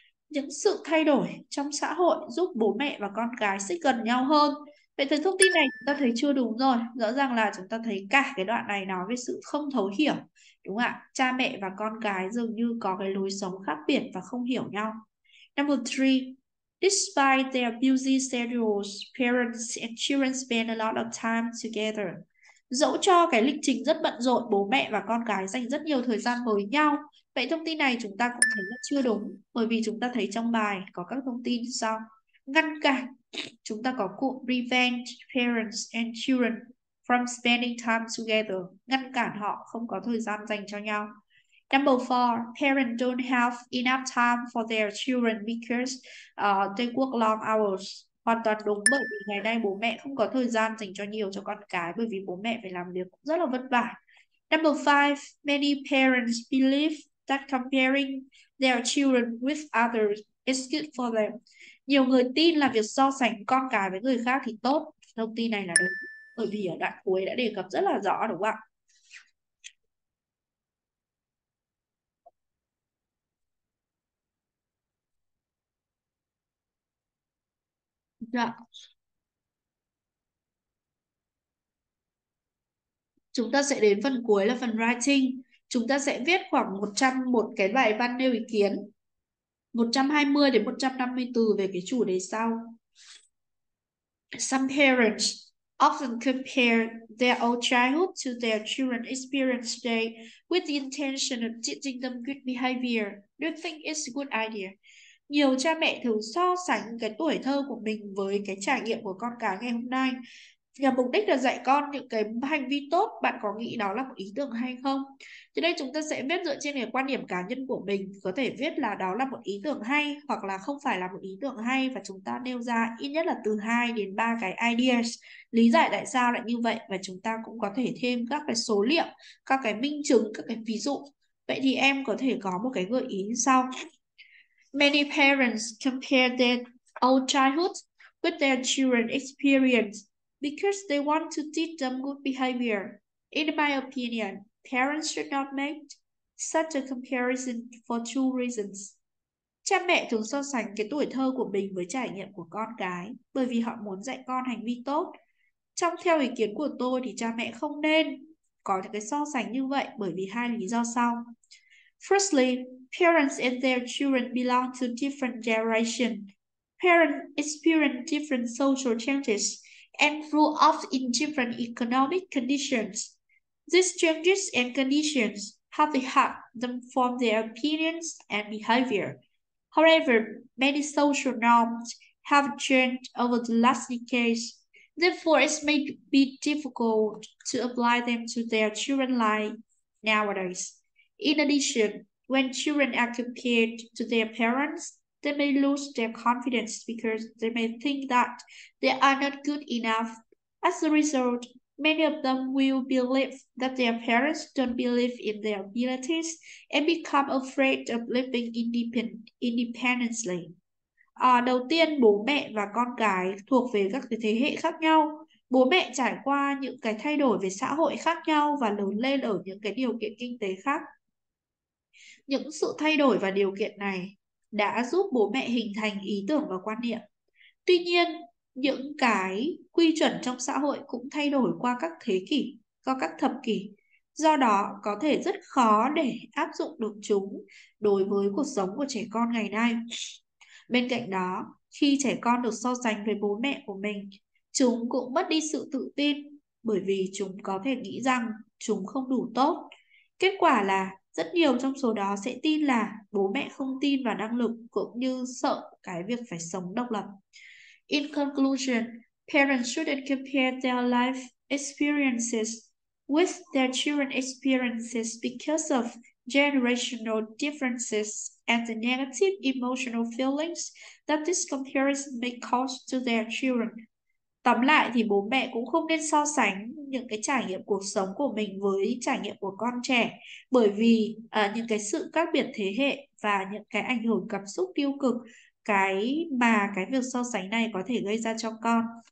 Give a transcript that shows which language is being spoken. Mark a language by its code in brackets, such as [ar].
[vi] Những sự thay đổi trong xã hội giúp bố mẹ và con cái xích gần nhau hơn. Vậy thì thông tin này chúng ta thấy chưa đúng rồi. Rõ ràng là chúng ta thấy cả cái đoạn này nói về sự không thấu hiểu, đúng không ạ? Cha mẹ và con cái dường như có cái lối sống khác biệt và không hiểu nhau. [en] Number 3, despite their busy schedules, parents and children spend a lot of time together. [vi] Dẫu cho cái lịch trình rất bận rộn, bố mẹ và con cái dành rất nhiều thời gian với nhau. Vậy thông tin này chúng ta cũng thấy là chưa đúng, bởi vì chúng ta thấy trong bài có các thông tin sau. Ngăn cản, chúng ta có cụm prevent parents and children from spending time together, ngăn cản họ không có thời gian dành cho nhau. [en] Number 4, parents don't have enough time for their children because they work long hours. [vi] Hoàn toàn đúng, bởi vì ngày nay bố mẹ không có thời gian dành cho nhiều cho con cái bởi vì bố mẹ phải làm việc rất là vất vả. [en] Number 5, many parents believe that comparing their children with others is good for them. [vi] Nhiều người tin là việc so sánh con cái với người khác thì tốt. Thông tin này là đúng, bởi vì ở đoạn cuối đã đề cập rất là rõ, đúng không ạ? Dạ. Chúng ta sẽ đến phần cuối là phần writing. Chúng ta sẽ viết khoảng 101 cái bài văn nêu ý kiến, 120 đến 150 từ về cái chủ đề sau. [en] Some parents often compare their old childhood to their children's experience today with the intention of teaching them good behavior. Do you think it's a good idea? [vi] Nhiều cha mẹ thường so sánh cái tuổi thơ của mình với cái trải nghiệm của con cái ngày hôm nay nhằm mục đích là dạy con những cái hành vi tốt. Bạn có nghĩ đó là một ý tưởng hay không? Thì đây chúng ta sẽ viết dựa trên cái quan điểm cá nhân của mình, có thể viết là đó là một ý tưởng hay hoặc là không phải là một ý tưởng hay, và chúng ta nêu ra ít nhất là từ 2 đến 3 cái ideas lý giải tại sao lại như vậy, và chúng ta cũng có thể thêm các cái số liệu, các cái minh chứng, các cái ví dụ. Vậy thì em có thể có một cái gợi ý sau. [en] Many parents compare their old childhood with their children's experience because they want to teach them good behavior. In my opinion, parents should not make such a comparison for two reasons. [vi] Cha mẹ thường so sánh cái tuổi thơ của mình với trải nghiệm của con cái bởi vì họ muốn dạy con hành vi tốt. Trong theo ý kiến của tôi thì cha mẹ không nên có cái so sánh như vậy bởi vì hai lý do sau. [en] Firstly, parents and their children belong to different generations. Parents experience different social changes and grew up in different economic conditions. These changes and conditions have helped them form their opinions and behavior. However, many social norms have changed over the last decades. Therefore, it may be difficult to apply them to their children like nowadays. In addition, when children are compared to their parents, they may lose their confidence because they may think that they are not good enough. As a result, many of them will believe that their parents don't believe in their abilities and become afraid of living independently. [vi] Đầu tiên, bố mẹ và con cái thuộc về các thế hệ khác nhau. Bố mẹ trải qua những cái thay đổi về xã hội khác nhau và lớn lên ở những cái điều kiện kinh tế khác. Những sự thay đổi và điều kiện này đã giúp bố mẹ hình thành ý tưởng và quan niệm. Tuy nhiên, những cái quy chuẩn trong xã hội cũng thay đổi qua các thế kỷ, qua các thập kỷ. Do đó, có thể rất khó để áp dụng được chúng đối với cuộc sống của trẻ con ngày nay. Bên cạnh đó, khi trẻ con được so sánh với bố mẹ của mình, chúng cũng mất đi sự tự tin bởi vì chúng có thể nghĩ rằng chúng không đủ tốt. Kết quả là rất nhiều trong số đó sẽ tin là bố mẹ không tin vào năng lực cũng như sợ cái việc phải sống độc lập. [en] In conclusion, parents shouldn't compare their life experiences with their children's experiences because of generational differences and the negative emotional feelings that this comparison may cause to their children. [vi] Tóm lại thì bố mẹ cũng không nên so sánh những cái trải nghiệm cuộc sống của mình với trải nghiệm của con trẻ, bởi vì những cái sự khác biệt thế hệ và những cái ảnh hưởng cảm xúc tiêu cực cái mà cái việc so sánh này có thể gây ra cho con.